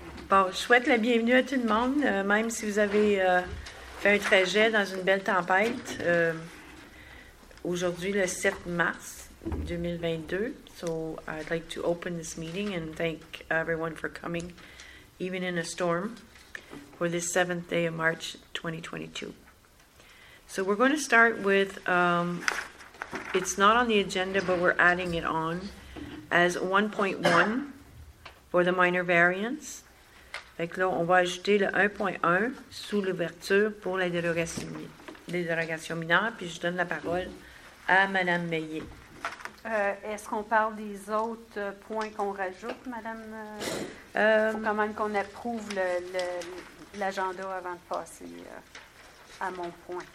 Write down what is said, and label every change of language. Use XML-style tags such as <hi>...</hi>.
<fr>Bon, je souhaite la bienvenue à tout le monde, même si vous avez fait un trajet dans une belle tempête. Aujourd'hui, le 7 mars 2022,</fr> <en>so I'd like to open this meeting and thank everyone for coming, even in a storm, for this 7th day of March 2022. So we're going to start with, it's not on the agenda, but we're adding it on, as 1.1 for the minor variants.</en> <fr>Fait que là, on va ajouter le 1.1 sous l'ouverture pour la dérogation, les dérogations mineures. Puis je donne la parole à Mme Meillet. Est-ce qu'on parle des autres points qu'on rajoute, Mme? Faut quand même qu'on approuve l'agenda avant de passer à mon point.</fr>